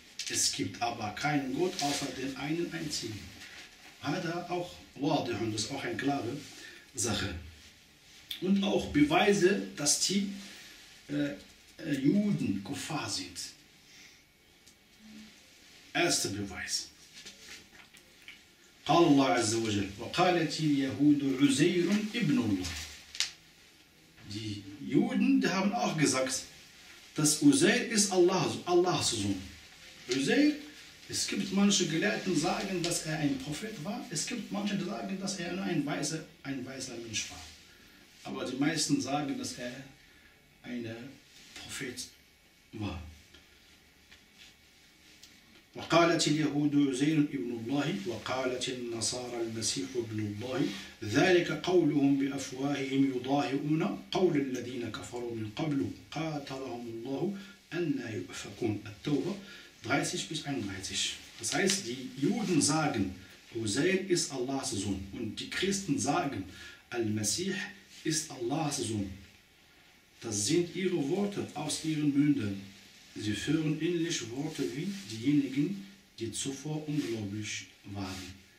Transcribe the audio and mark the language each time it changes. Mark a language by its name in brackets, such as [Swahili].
[German] Es gibt aber keinen Gott außer den einen einzigen. Hada auch wadih, das ist auch eine klare Sache. Und auch Beweise, dass die Juden Kuffar sind. Erster Beweis. [Arabic] قال الله عز وجل وقالت اليهود عزير ابن الله. [German] Die Juden, die haben auch gesagt, dass Uzair ist Allahs Sohn. Uzair, es gibt manche Gelehrten, die sagen, dass er ein Prophet war. Es gibt manche, die sagen, dass er nur ein weiser Mensch war. Aber die meisten sagen, dass er ein Prophet war. [Arabic] وقالت اليهود عزير ابن الله وقالت النصارى المسيح ابن الله ذلك قولهم بأفواههم يضاهئون قول الذين كفروا من قبل قاتلهم الله أنى يؤفكون التوبة 30-31. [German] Das heißt, die Juden sagen, Uzair ist Allahs Sohn, und die Christen sagen, Al-Masih ist Allahs Sohn. Das sind ihre Worte aus ihren Mündern. Sie führen ähnliche Worte wie diejenigen, die zuvor ungläubig waren.